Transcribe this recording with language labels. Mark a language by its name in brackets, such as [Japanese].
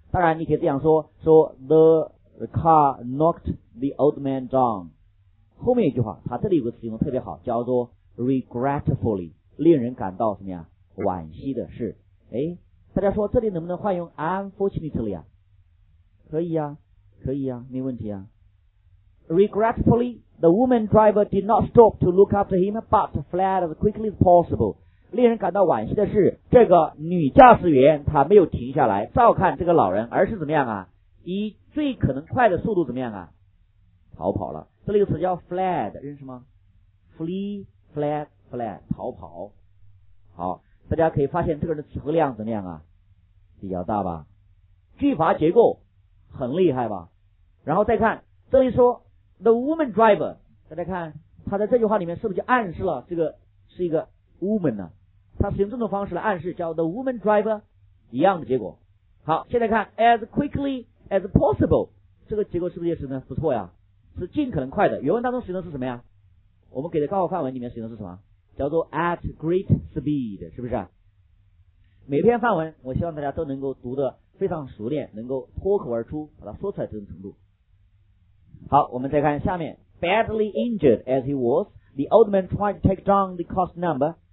[Chinese] 当然你可以这样说，说 [English] the car knocked the old man down。 [Chinese] 后面一句话他这里有个词用的特别好，叫做 regretfully， 令人感到什么呀？惋惜的事。哎，大家说这里能不能换用 unfortunately 啊？可以啊，可以啊，没问题啊。 [English] Regretfully the woman driver did not stop to look after him but fled as quickly as possible。 [Chinese] 令人感到惋惜的是这个女驾驶员她没有停下来照看这个老人，而是怎么样啊？以最可能快的速度怎么样啊？逃跑了。这里有词叫 fled， 认识吗？flee fled fled 逃跑。好，大家可以发现这个人的词汇量怎么样啊？比较大吧，句法结构很厉害吧。然后再看这里说 [English] the woman driver， [Chinese] 大家看他在这句话里面是不是就暗示了这个是一个 woman 呢？他使用这种方式来暗示叫 [English] the woman driver， [Chinese] 一样的结果。好，现在看 [English] as quickly as possible， [Chinese] 这个结构是不是也是呢？不错呀，是尽可能快的。原文当中使用的是什么呀？我们给的高考范文里面使用的是什么？叫做 [English] at great speed， [Chinese] 是不是？每篇范文我希望大家都能够读得非常熟练，能够脱口而出把它说出来这种程度。好，我们再看下面 [English] badly injured as he was the old man tried to take down the cost number。